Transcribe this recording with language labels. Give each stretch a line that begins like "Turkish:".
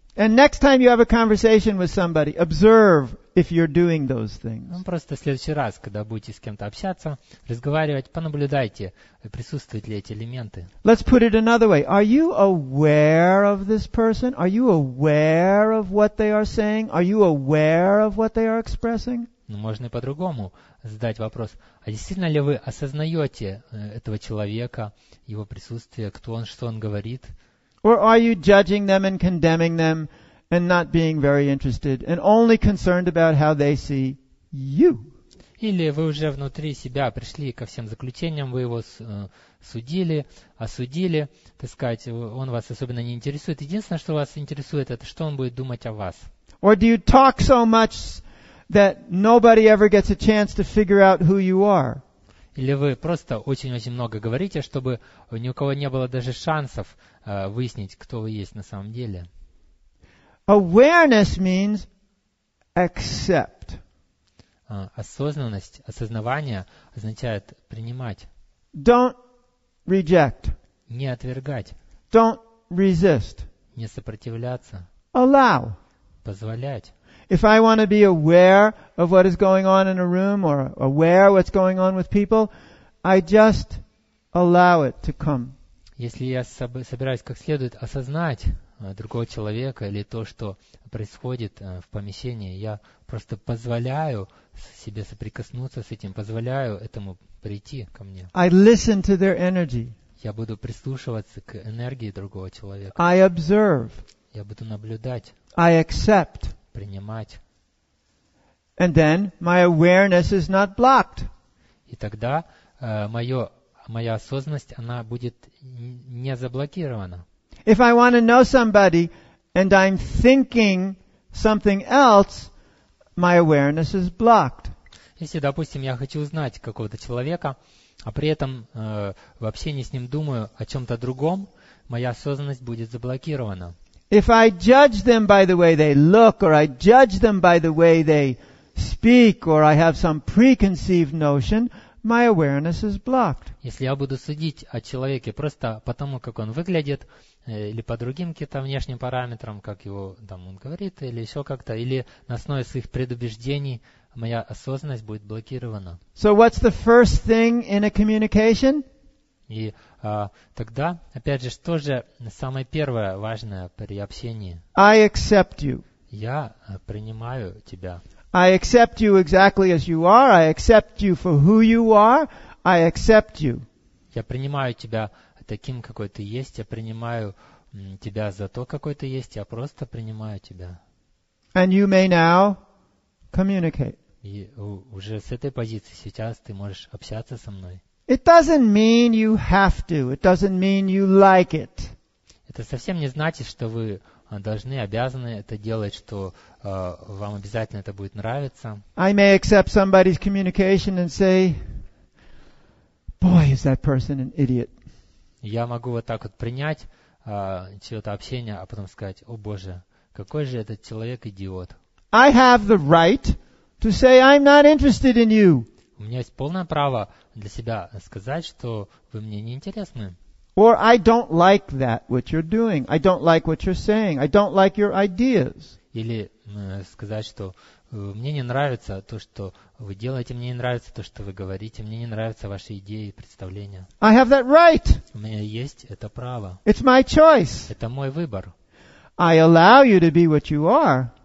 English: And next time you have a conversation with somebody, observe if you're doing those things.
Russian: Ну, просто в следующий раз, когда будете с кем-то общаться, разговаривать, понаблюдайте, присутствуют ли эти элементы.
English: Let's put it another way. Are you aware of this person? Are you aware of what they are saying? Are you aware of what they are expressing?
Russian: Ну, можно и по-другому задать вопрос. А действительно ли вы осознаете этого человека, его присутствие, кто он, что он говорит?
English: Or are you judging them and condemning them and not being very interested and only concerned about how they see you?
Russian: Или вы уже внутри себя пришли ко всем заключениям, вы его судили, осудили, так сказать, он вас особенно не интересует. Единственное, что вас интересует, это что он будет думать о вас.
English: Or do you talk so much that nobody ever gets a chance to figure out who you are?
Russian: Или вы просто очень-очень много говорите, чтобы ни у кого не было даже шансов выяснить, кто вы есть на самом деле.
English: Awareness means accept.
Russian: Осознанность, осознавание означает принимать.
English: Don't reject.
Russian: Не отвергать.
English: Don't resist.
Russian: Не сопротивляться.
English: Allow.
Russian: Позволять.
English: If I want to be aware of what is going on in a room or aware of what's going on with people, I just allow it to come.
Russian: Если я собираюсь как следует осознать другого человека или то, что происходит в помещении, я просто позволяю себе соприкоснуться с этим, позволяю этому прийти ко мне.
English: I listen to their energy.
Russian: Я буду прислушиваться к энергии другого человека.
English: I observe.
Russian: Я буду наблюдать.
English: I accept.
Russian: Принимать.
English: And then my awareness is not blocked.
Russian: И тогда моя осознанность, она будет не заблокирована.
English: If I want to know somebody and I'm thinking something else, my awareness is blocked.
Russian: Если, допустим, я хочу узнать какого-то человека, а при этом в общении с ним думаю о чем-то другом, моя осознанность будет заблокирована.
English: If I judge them by the way they look, or I judge them by the way they speak, or I have some preconceived notion, my awareness is blocked.
Russian: Если я буду судить о человеке просто потому, как он выглядит, или по другим каким-то внешним параметрам, как его там он говорит, или еще как-то, или на основе своих предубеждений, моя осознанность будет блокирована.
English: So what's the first thing in a communication?
Russian: И тогда, опять же, что же самое первое важное при общении?
English: I accept you.
Russian: Я принимаю тебя.
English: I accept you exactly as you are. I accept you for who you are. I accept you.
Russian: Я принимаю тебя таким, какой ты есть. Я принимаю тебя за то, какой ты есть. Я просто принимаю тебя.
English: And you may now communicate.
Russian: И уже с этой позиции сейчас ты можешь общаться со мной.
English: It doesn't mean you have to. It doesn't mean you like it.
Russian: Это совсем не значит, что вы должны, обязаны это делать, что вам обязательно это будет нравиться.
English: I may accept somebody's communication and say, "Boy, is that person an idiot?"
Russian: Я могу вот так вот принять чьё-то общение, а потом сказать: "О боже, какой же этот человек идиот!"
English: I have the right to say I'm not interested in you.
Russian: У меня есть полное право для себя сказать, что вы мне не интересны.
English: Or I don't like that what you're doing. I don't like what you're saying. I don't like your ideas.
Russian: Или сказать, что мне не нравится то, что вы делаете. Мне не нравится то, что вы говорите. Мне не нравятся ваши идеи и представления.
English: I have that right.
Russian: У меня есть это право.
English: It's my choice.
Russian: Это мой выбор.
English: I allow you to be what you are.